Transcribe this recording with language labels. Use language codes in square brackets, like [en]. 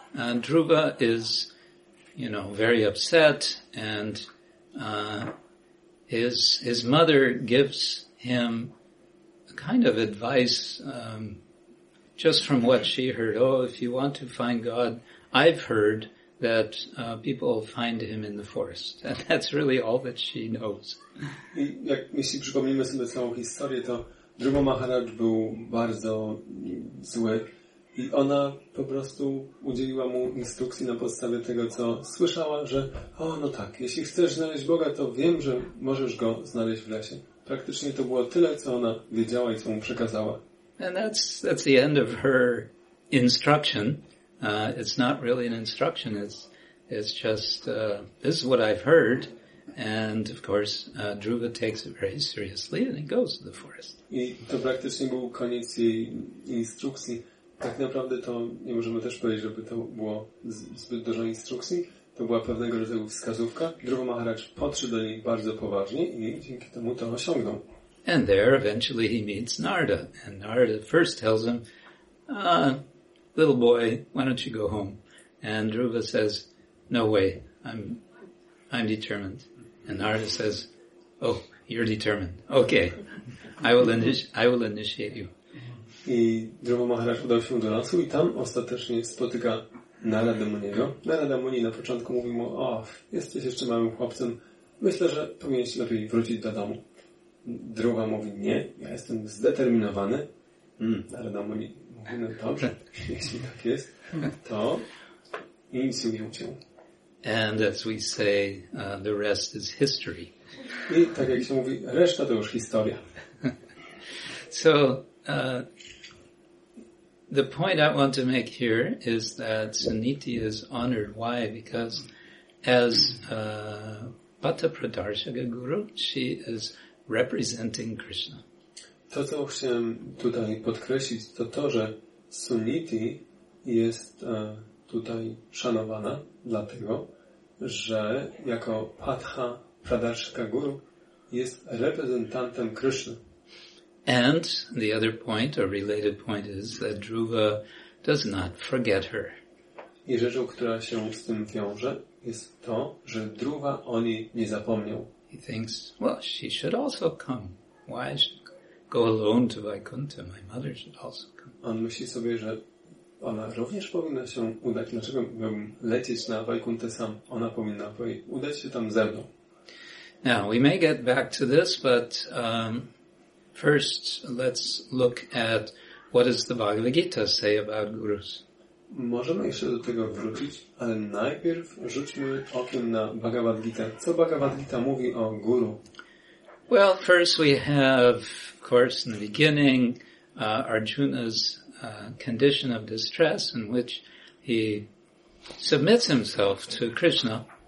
[en] Dhruva is, you know, very upset, and his mother gives him a kind of advice, just from what she heard. Oh, if you want to find God, I've heard that people find him in the forest. And that's really all that she knows. [pl] Jak jeśli przypomnimy sobie całą historię, to Dhruva Maharaj był bardzo zły. I ona po prostu udzieliła mu instrukcji na podstawie tego, co słyszała, że o, no tak, jeśli chcesz znaleźć Boga, to wiem, że możesz go znaleźć w lesie. Praktycznie to było tyle, co ona wiedziała i co mu przekazała. [en] And that's the end of her instruction. It's not really an instruction. It's just this is what I've heard. And of course, Dhruva takes it very seriously and he goes to the forest. [pl] I to praktycznie był koniec jej instrukcji. Tak naprawdę to nie możemy też powiedzieć, żeby to było zbyt dużo instrukcji. To była pewnego rodzaju wskazówka. Dhruva Maharaj podszedł do niej bardzo poważnie i dzięki temu to osiągnął. [en] And there eventually he meets Narada. And Narada first tells him, little boy, why don't you go home? And Dhruva says, no way, I'm determined. And Narada says, oh, you're determined. Okay, I will initiate you. [pl] I Dhruva Maharaj udał się do lasu i tam ostatecznie spotyka Narada Muniego. Narada Muni na początku mówi mu, o, jesteś jeszcze małym chłopcem, myślę, że powinieneś lepiej wrócić do domu. Dhruva mówi, nie, ja jestem zdeterminowany. Narada Muni mówi, no dobrze, jeśli tak jest, to inicjuję cię. [en] And as we say, the rest is history. [pl] I tak jak się mówi, reszta to już historia. [en] So the point I want to make here is that Suniti is honored. Why? Because as Bhatta Pradarshaka Guru, she is representing Krishna. [pl] To, co chciałem tutaj podkreślić, to to, że Suniti jest tutaj szanowana dlatego, że jako Bhatta Pradarshaka Guru jest reprezentantem Krishna. [en] And the other point, or related point, is that Dhruva does not forget her. [pl] I rzeczą, która się z tym wiąże, jest to, że Dhruva o niej nie zapomniał. [en] He thinks, well, she should also come. Why should go alone to Vaikuntha? My mother should also come. [pl] On myśli sobie, że ona również powinna się udać. Dlaczego miałbym lecieć na Vaikuntha sam? Ona powinna udać się tam ze mną. Now, we may get back to this, but first, let's look at what does the Bhagavad Gita say about gurus. Możemy jeszcze do tego wrócić, ale najpierw rzućmy okiem na Bhagavad Gita. Co Bhagavad Gita mówi o guru? [en] Well, first we have, of course, in the beginning, Arjuna's condition of distress in which he submits himself to Krishna.